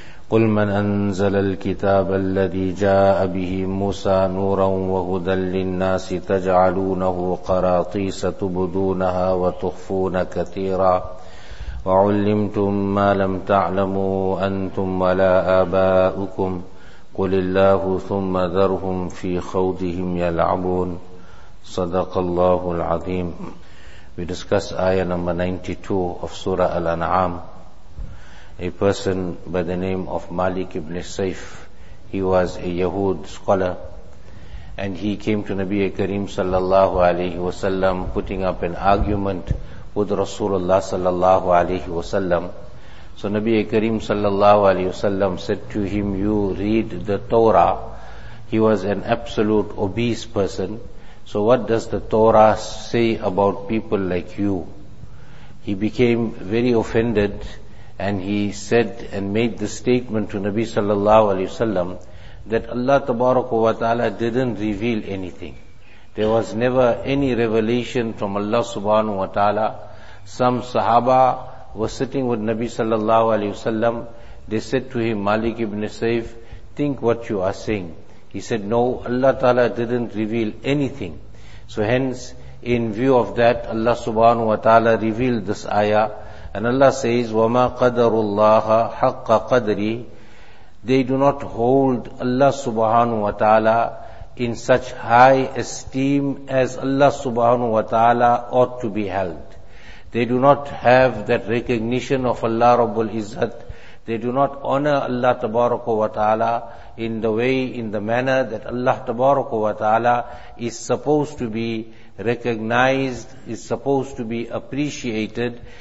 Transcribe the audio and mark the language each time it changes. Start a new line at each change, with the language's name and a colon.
Arabic: قل من أنزل الكتاب الذي جاء به موسى نورا وهدى للناس تجعلونه قراطيس تبدونها وتخفون كثيرا وعلمتم ما لم تعلموا أنتم ولا آباؤكم قل الله ثم ذرهم في خوضهم يلعبون صدق الله العظيم.
English: We discuss ayah number 92 of Surah Al-An'am. A person by the name of Malik ibn Saif, he was a Yahud scholar, and he came to Nabi Karim sallallahu alayhi wa sallam putting up an argument with Rasulullah sallallahu alayhi wa sallam. So Nabi Karim sallallahu alayhi wa sallam said to him, "You read the Torah." He was an absolute obese person. So what does the Torah say about people like you? He became very offended and he said and made the statement to Nabi sallallahu alayhi wa sallam that Allah tabaraka wa ta'ala didn't reveal anything. There was never any revelation from Allah subhanahu wa ta'ala. Some sahaba were sitting with Nabi sallallahu alayhi wa sallam. They said to him, "Malik ibn Saif, think what you are saying." He said, "No, Allah ta'ala didn't reveal anything." So hence, in view of that, Allah subhanahu wa ta'ala revealed this ayah. And Allah says,
Arabic: وَمَا قَدَرُ اللَّهَ حَقَّ قَدْرِ.
English: They do not hold Allah subhanahu wa ta'ala in such high esteem as Allah subhanahu wa ta'ala ought to be held. They do not have that recognition of Allah Rabbul Izzat. They do not honor Allah tabaraka wa ta'ala in the way, in the manner that Allah tabaraka wa ta'ala is supposed to be recognized, is supposed to be appreciated.